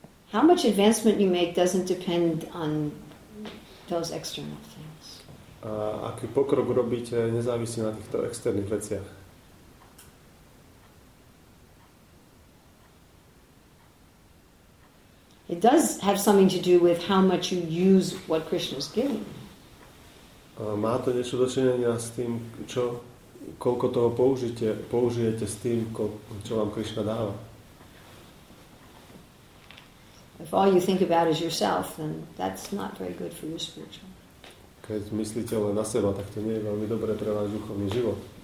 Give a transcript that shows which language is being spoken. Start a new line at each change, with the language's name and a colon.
English: How much advancement you make doesn't depend on those external things.
Slovak: A aký pokrok robíte, nezávisí na týchto externých veciach.
English: It does have something to do with how much you use what Krishna's giving.
Slovak: Má to niečo do činenia s tým, čo, koľko toho použijete s tým, čo vám Krishna dáva.
English: If all you think about is yourself, then that's not very good for your spiritual.
Slovak: Keď myslíte len na seba, tak to nie je veľmi dobré pre váš duchovný život.